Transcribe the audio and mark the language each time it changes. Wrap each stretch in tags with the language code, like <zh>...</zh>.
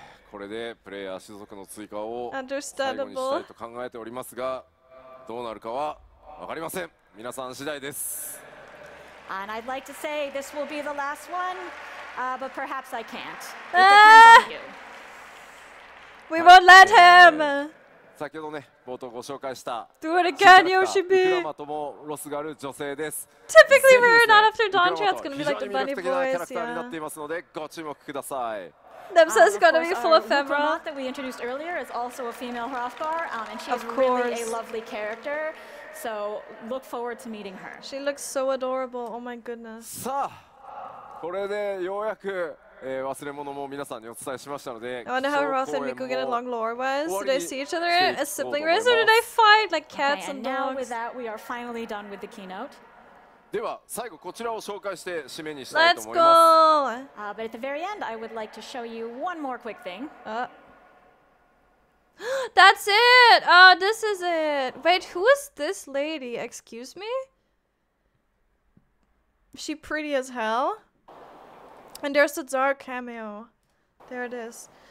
<ja>これでプレイヤー種族の追加を最後にしたいと考えておりますが、どうなるかは分かりません。皆さん次第です。</ja> <en>And I'd like to say this will be the last one, but perhaps I can't. It depends on you. We won't let him.</en> <ja>先ほどね、冒頭ご紹介した。</ja> <en>Do it again, Yoshibi.</en> <ja>ウクラマともロスガル女性です。</ja> <en>Typically, we're not after Don Chan. It's gonna be like the bunny voice.</en> <ja>非常に魅力的なキャラクターになっていますので、ご注目ください。</ja> <en>Nemesis is gonna be full of femro. The Hrothgar that we introduced earlier is also a female Hrothgar, and she is really a lovely character. So look forward to meeting her. She looks so adorable. Oh my goodness.</en> <ja>さあ、これでようやく。忘れ物も皆さんにお伝えしましたので、</ja> <en>I wonder how Roth and Miku get along lore wise. Did they see each other as sibling race or did they fight like cats and dogs? Okay, and now with that, we are finally done with the keynote.</en> <ja>では最後こちらを紹介して締めにしたいと思います</ja> <en>。 Let's go. But at the very end, I would like to show you one more quick thing. That's it. Oh, this is it. Wait, who is this lady? Excuse me. She pretty as hell. And there's the Tsar cameo. There it is.</en>